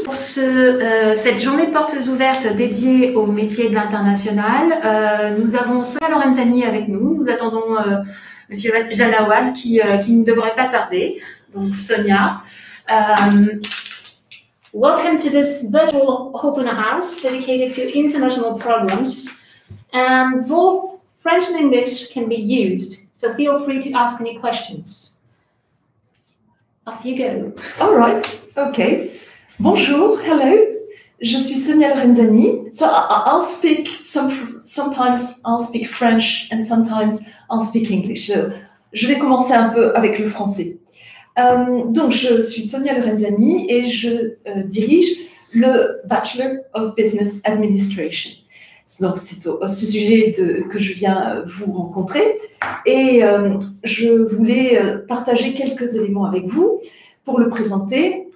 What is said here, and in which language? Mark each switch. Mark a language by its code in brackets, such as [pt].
[fr] Pour cette journée portes ouvertes dédiée au métier de l'international, nous avons Sonia Lorenzani avec nous. Nous attendons Monsieur Jalawad qui ne devrait pas tarder. Donc Sonia. [en] Welcome to this virtual open house dedicated to international problems. And both French and English can be used, so feel free to ask any questions. Off you go. All right. Okay. Bonjour. Hello. [fr] Je suis [en] Sonia Lorenzani. So I'll speak French and sometimes I'll speak English. [fr] So je vais commencer un peu avec le français. Donc je suis Sonia Lorenzani et je dirige le Bachelor of Business Administration. Donc c'est ce sujet que je viens vous rencontrer et je voulais partager quelques éléments avec vous pour le présenter.